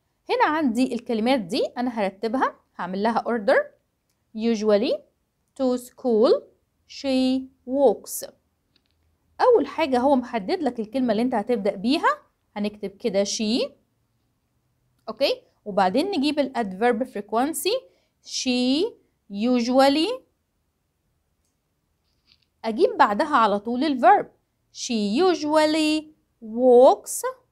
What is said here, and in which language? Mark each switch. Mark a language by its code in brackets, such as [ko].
[ar] هنا عندي الكلمات دي، أنا هرتبها، هعمل لها order. [en] Usually to school she walks. [ar] أول حاجة هو محدد لك الكلمة اللي أنت هتبدأ بيها، هنكتب كده she. أوكي، وبعدين نجيب الادفيرب فريكوانسي، [en] she usually، [ar] اجيب بعدها على طول الفيرب، [en] she usually walks